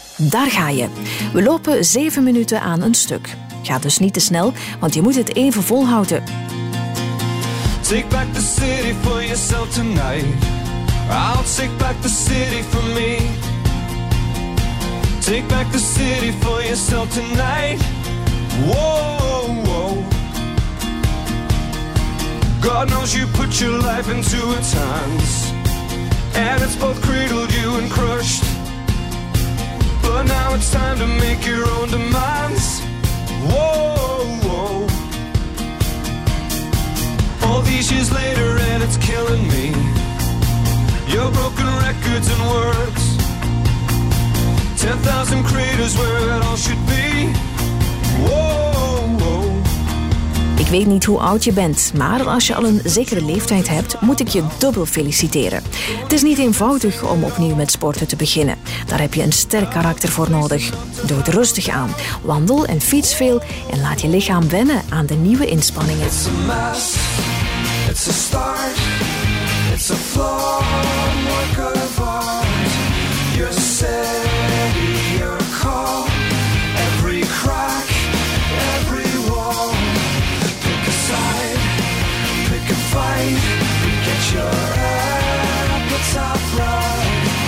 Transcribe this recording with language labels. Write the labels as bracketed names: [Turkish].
[Dutch] Daar ga je. We lopen 7 minuten aan een stuk. Ga dus niet te snel, want je moet het even volhouden. [English] Take back the city for yourself tonight. I'll take back the city for me. Take back the city for yourself tonight. Whoa, whoa, whoa. God knows you put your life into its hands. And it's both cradled you and crushed. But now it's time to make your own demands. Whoa, whoa. All these years later and it's killing me. Your broken records and words. 10,000 craters where it all should be. Whoa, whoa. [Dutch] Ik weet niet hoe oud je bent, maar als je al een zekere leeftijd hebt, moet ik je dubbel feliciteren. Het is niet eenvoudig om opnieuw met sporten te beginnen. Daar heb je een sterk karakter voor nodig. Doe het rustig aan. Wandel en fiets veel en laat je lichaam wennen aan de nieuwe inspanningen. [English] It's a must, it's a start, it's a flaw, work of art. You're steady, you're calm, every crack, every wall. Pick a side, pick a fight, get your appetite right.